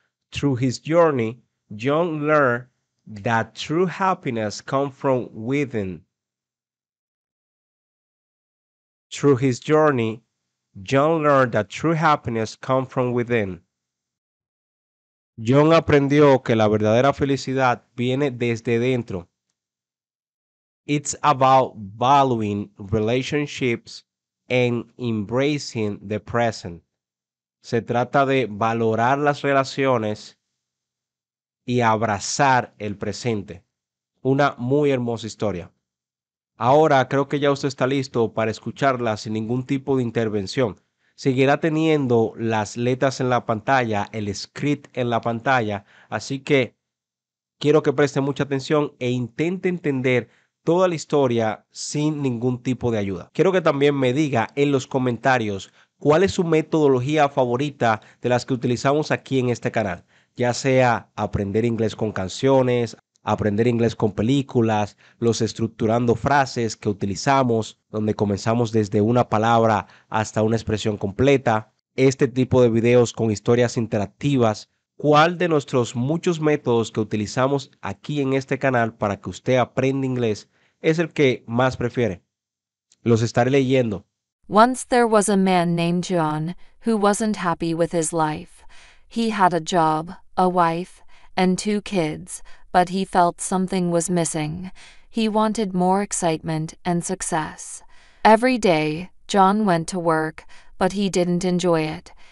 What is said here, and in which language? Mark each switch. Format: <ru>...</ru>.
<en>Through his journey, John learned that true happiness comes from within. Through his journey, John learned that true happiness comes from within.</en> <es>John aprendió que la verdadera felicidad viene desde dentro.</es> <en>It's about valuing relationships and embracing the present.</en> <es>Se trata de valorar las relaciones y abrazar el presente. Una muy hermosa historia. Ahora creo que ya usted está listo para escucharla sin ningún tipo de intervención. Seguirá teniendo las letras en la pantalla, el script en la pantalla. Así que quiero que preste mucha atención e intente entender toda la historia sin ningún tipo de ayuda. Quiero que también me diga en los comentarios cuál es su metodología favorita de las que utilizamos aquí en este canal. Ya sea aprender inglés con canciones, aprender inglés con películas, los estructurando frases que utilizamos, donde comenzamos desde una palabra hasta una expresión completa, este tipo de videos con historias interactivas. ¿Cuál de nuestros muchos métodos que utilizamos aquí en este canal para que usted aprenda inglés es el que más prefiere? Los estaré leyendo.</es> <en>Once there was a man named John who wasn't happy with his life. He had a job, a wife, and two kids, but he felt something was missing. He wanted more excitement and success. Every day, John went to work, but he didn't enjoy it.</en>